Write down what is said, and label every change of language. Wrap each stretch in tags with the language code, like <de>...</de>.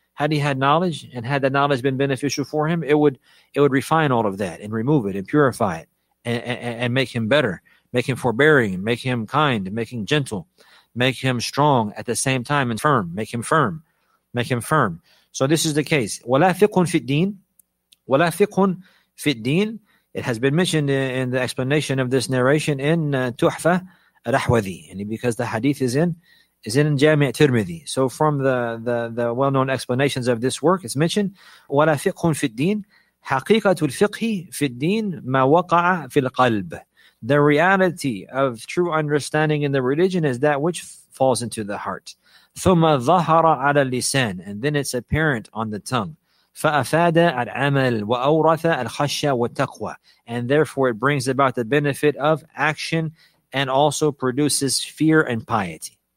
<en>Had he had knowledge, and had that knowledge been beneficial for him, it would refine all of that and remove it and purify it and make him better, make him forbearing, make him kind, make him gentle, make him strong at the same time and firm, make him firm. So this is the case.</en> <ar>ولا فقه في الدين, ولا فقه في الدين.</ar> <en>It has been mentioned in the explanation of this narration in Tuhfa al-Ahwazi, because the hadith is in Jami' Tirmidhi. So from the well-known explanations of this work, it's mentioned,</en> <ar>وَلَا فِقْهٌ فِي الدِّينِ حَقِيقَةُ الْفِقْهِ فِي الدِّينِ مَا وَقَعَ فِي الْقَلْبِ.</ar> <en>The reality of true understanding in the religion is that which falls into the heart.</en> <ar>ثُمَّ ظَهَرَ عَلَى اللِّسَانِ.</ar> <en>And then it's apparent on the tongue.</en> <ar>فَأَفَادَ الْعَمَلِ وَأَوْرَثَ الْخَشَّ وَالتَّقْوَى.</ar> <en>And therefore it brings about the benefit of action and also produces fear and piety.</en>